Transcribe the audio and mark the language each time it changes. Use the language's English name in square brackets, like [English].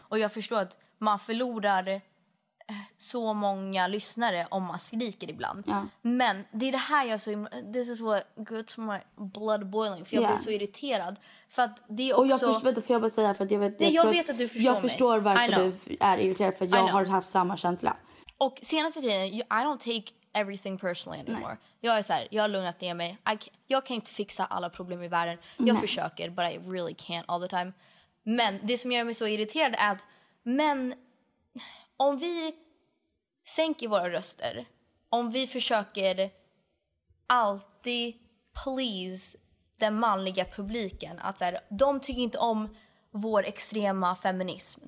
[Swedish] Och jag förstår att man förlorar så många lyssnare om man skriker ibland. [English] Yeah. [Swedish] Men det är det här jag så... This is what gets my blood boiling. För jag blir så irriterad. För att det är också... Och jag förstår, vänta, får jag bara säga? För att jag vet att du förstår mig. Jag förstår varför du är irriterad. För jag har haft samma känsla. [English] Och senaste tiden, I don't take everything personally anymore. [Swedish] Nej. Jag är så här, jag har lugnat ner mig. Jag kan inte fixa alla problem i världen. Jag försöker, but I really can't all the time. Men det som gör mig så irriterad är att... Men om vi sänker våra röster, om vi försöker alltid please den manliga publiken, att så här, de tycker inte om vår extrema feminism.